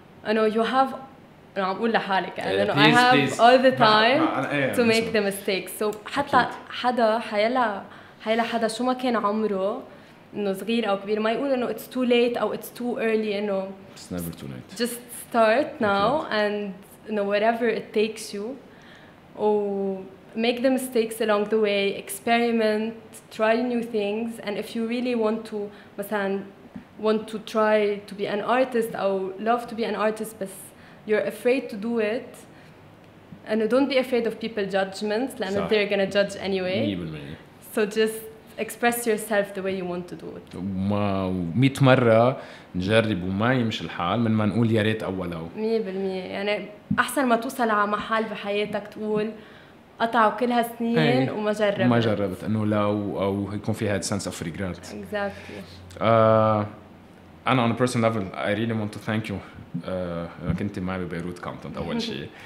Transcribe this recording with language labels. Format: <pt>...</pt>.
<ar>إنه</ar> <en>you have</en> <ar>إنه عم أقول لحالك إنه</ar> <en>I have please. All the time to make the mistakes.</en> <ar>So حتى حدا حيلا حدا شو ما كان عمره إنه صغير أو كبير ما يقول إنه</ar> <en>it's too late</en> <ar>أو</ar> <en>it's too early,</en> <ar>إنه</ar> <en>it's never too late. Just start now and you know whatever it takes you, or make the mistakes along the way, experiment, try new things, and if you really want to,</en> <ar>مثلاً</ar> <en>want to try to be an artist or love to be an artist, but you're afraid to do it, and don't be afraid of people's judgments,</en> <ar>لأن</ar> <en>they're gonna judge anyway. So just express yourself the way you want to do it.</en> <ar>ما 100 مرة نجرب وما يمشي الحال من ما نقول يا ريت أول أو. 100% يعني أحسن ما توصل على محل بحياتك تقول قطعوا كل هالسنين وما جربت. ما جربت إنه لو أو يكون فيها</ar> <en>sense of regret. Exactly.</en> <ar>أنا</ar> <en>on a personal level I really want to thank you.</en> <ar>كنت معي ببيروت كامتون أول شيء.</ar>